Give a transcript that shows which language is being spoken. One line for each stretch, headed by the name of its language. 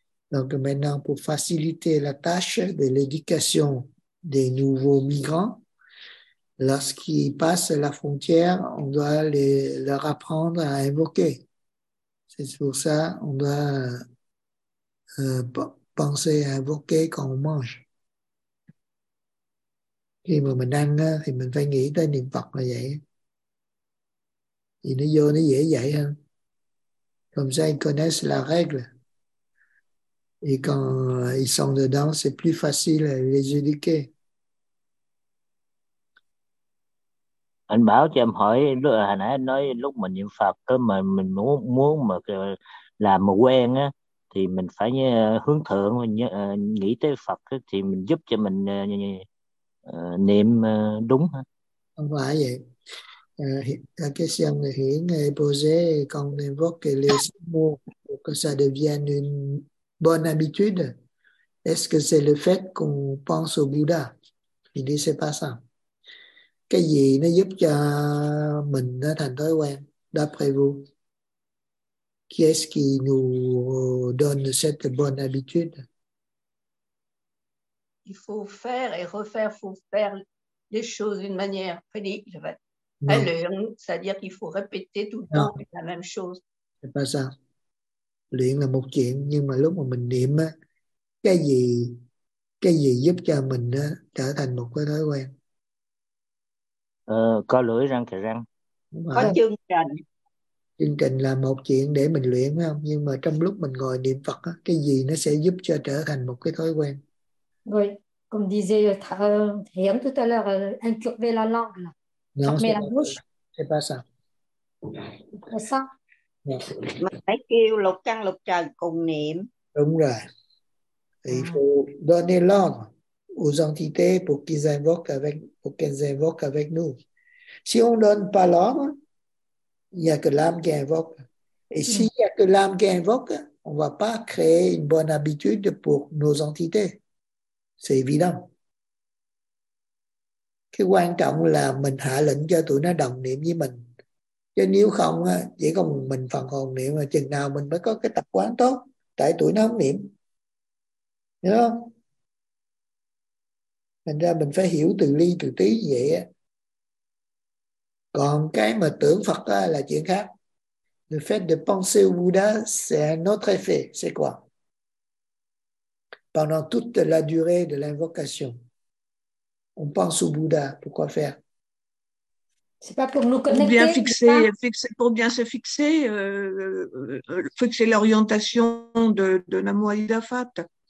French: Donc maintenant pour faciliter la tâche de l'éducation des nouveaux migrants, lorsqu'ils passent la frontière, on doit leur apprendre à invoquer. C'est pour ça qu'on doit penser à invoquer quand on mange.
Vietnamese: Khi mà mình ăn á, thì mình phải nghĩ tới niệm Phật là vậy. Thì nó vô nó dễ dạy hơn.
French: Comme ça, ils connaissent la règle. Et quand ils sont dedans, c'est plus facile à les éduquer.
Vietnamese: Anh Bảo cho em hỏi, hồi nãy anh nói lúc mình niệm Phật, mà mình muốn mà làm mà quen, á, thì mình phải hướng thượng, nghĩ tới Phật, thì mình giúp cho mình niệm đúng. Hả? Không phải vậy.
French: La question de Hien est posée et qu'on évoque les mots pour que ça devienne une bonne habitude. Est-ce que c'est le fait qu'on pense au Bouddha? Il dit, c'est pas ça.
Vietnamese: Cái gì nó giúp cho mình nó thành thói quen,
French: d'après vous? Qui est-ce qui nous donne cette bonne habitude? Il faut faire et refaire, il faut faire les choses d'une manière prédictive. C'est-à-dire qu'il faut répéter tout le temps la même chose. C'est pas ça.
Vietnamese: Luyện là một chuyện, nhưng mà lúc mà mình niệm, cái gì giúp cho mình trở thành một cái thói quen? Có lưỡi răng thì răng. Có chương trình. Chương trình là một chuyện để mình luyện, phải không? Nhưng mà trong lúc mình ngồi niệm Phật, cái gì nó sẽ giúp cho trở thành một cái thói quen?
French: Oui, comme disait Hiếm tout à l'heure, incurver la langue. Non, c'est pas ça. C'est pas ça.
Vietnamese: Mà phải kêu lục căn lục trần cùng niệm. Đúng rồi. Thì phụ
French: donner l'ordre aux entités pour qu'ils invoquent avec pour qu'elles invoquent avec nous. Si on donne pas l'ordre, il n'y a que l'âme qui invoque. Et s'il n'y a que l'âme qui invoque, on ne va pas créer une bonne habitude pour nos entités. C'est évident.
Vietnamese: Cái quan trọng là mình hạ lệnh cho tụi nó đồng niệm với mình. Chứ nếu không, chỉ có mình phần hồn niệm, mà chừng nào mình mới có cái tập quán tốt, tại tụi nó không niệm. Hiểu không? Thành ra mình phải hiểu từ ly từ tí vậy. Còn cái mà tưởng Phật là chuyện khác.
French: Le fait de penser au Bouddha, c'est un autre effet. C'est quoi? Pendant toute la durée de l'invocation. On pense au Bouddha. Pourquoi faire? C'est pas pour nous connecter. Pour bien fixer, pour bien se fixer, fixer l'orientation de Namo Amida Fat.